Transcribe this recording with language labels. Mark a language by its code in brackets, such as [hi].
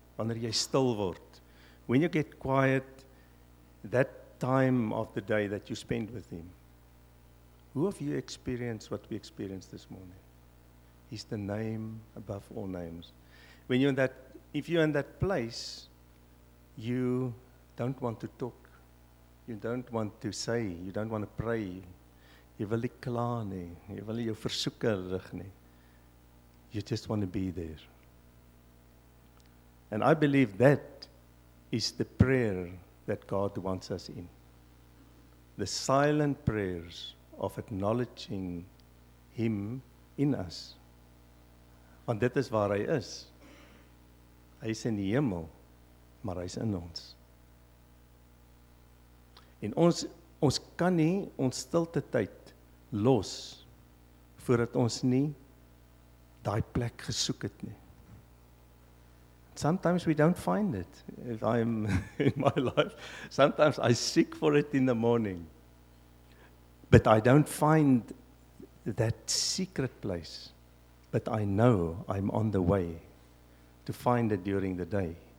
[af] Wanneer jy stil word, [en] when you get quiet, that time of the day that you spend with Him. Who of you experienced what we experienced this morning? He's the name above all names. When you're in that, if you're in that place, you don't want to talk. You don't want to say. You don't want to pray. [af] Jy wil nie kla nie. Jy wil nie jou versoeke rig nie. [en] You just want to be there. And I believe that is the prayer that God wants us in. The silent prayers of acknowledging Him in us. [af] Want dit is waar Hy is. Hy is in die hemel, maar Hy is in ons. En ons kan nie ons stilte tyd los voordat ons nie daai plek gesoek het nie. [en] Sometimes we don't find it. If I'm in my life, sometimes I seek for it in the morning. But I don't find that secret place. But I know I'm on the way to find it during the day.